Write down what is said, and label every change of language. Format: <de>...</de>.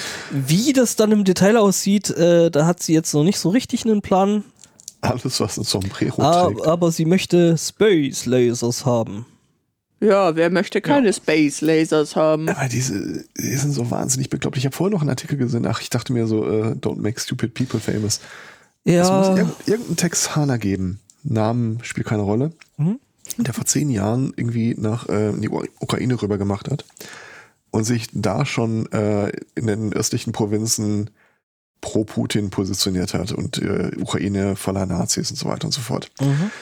<de>Wie das dann im Detail aussieht, da hat sie jetzt noch nicht so richtig einen Plan. Alles, was ein Sombrero trägt. Aber sie möchte Space Lasers haben. Ja, wer möchte keine Space Lasers haben? Aber die sind so wahnsinnig beglaubt. Ich habe vorher noch einen Artikel gesehen. Ach, ich dachte mir so,</de> <en>don't make stupid people famous.</en> <de>Ja. Es muss irgendein Texaner geben. Namen spielt keine Rolle. Mhm. Der vor 10 Jahren irgendwie nach die Ukraine rüber gemacht hat. Und sich da schon in den östlichen Provinzen pro Putin positioniert hat und Ukraine voller Nazis und so weiter und so fort. Mhm.</de>